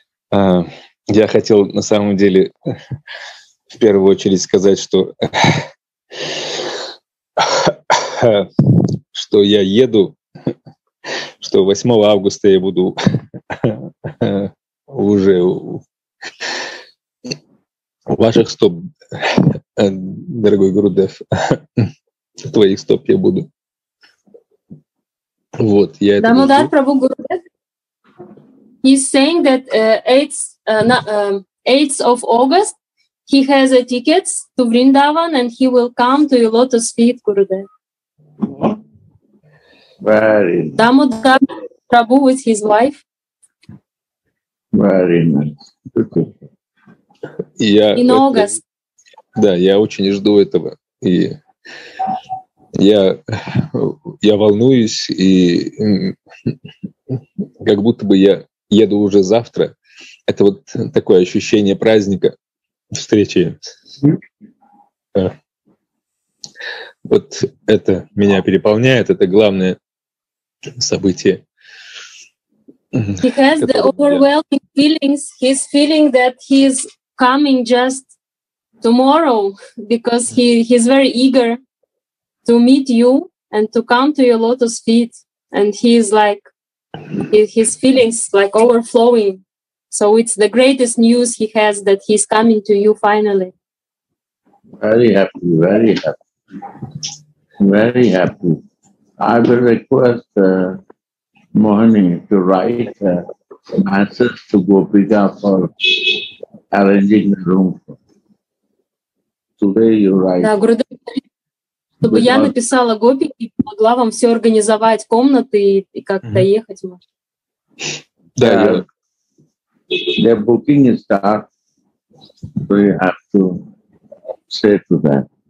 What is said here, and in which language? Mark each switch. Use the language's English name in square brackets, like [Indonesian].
[Russian] Я хотел на самом деле в первую очередь сказать, что я еду, что 8 августа я буду уже у ваших стоп, дорогой Гурудев, твоих стоп я буду. Вот, я это буду. [English] Дамодар Прабху Гурудев, he's saying that 8th of August, he has a ticket to Vrindavan and he will come to your lotus feet, Gurudev. Very nice. Дамодар Прабху with his wife. Very nice. Okay. In August. [Russian] Да, я очень жду этого. И я волнуюсь, и как будто бы я еду уже завтра. Это вот такое ощущение праздника, встречи. Вот это меня переполняет, это главное событие. [English] He has the overwhelming feelings. He's feeling that he's coming just tomorrow, because he's very eager to meet you and to come to your lotus feet. And he's like, his feelings like overflowing. So it's the greatest news he has that he's coming to you finally. Very happy, very happy. Very happy. I will request Mohini to write a message to Gopika for arranging the room. Today you write. [Russian] Да, Гурудев, чтобы я написала Гопике и помогла вам все организовать, комнаты и как-то ехать, может. Да. [English] The booking is start, so you have to say to them.